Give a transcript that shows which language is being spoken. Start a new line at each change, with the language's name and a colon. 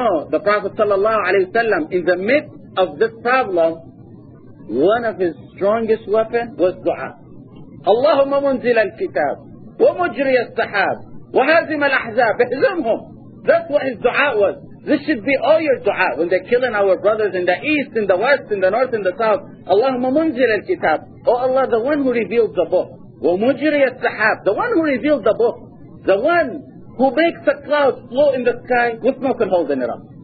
English: The Prophet sallallahu alaihi wasallam, in the midst of this problem, one of his strongest weapons was dua.
Arabic: اللهم منزل الكتاب ومجري السحاب وهازم الأحزاب اهزمهم.
English: That's what his dua was. This should be all your dua when they're killing our brothers in the east, in the west, in the north, in the south.
Arabic: اللهم منزل الكتاب.
English: Oh Allah, the one who revealed the book.
Arabic: ومجري السحاب,
English: the one who revealed the book. The one who makes the clouds flow in the sky with no one holding it up.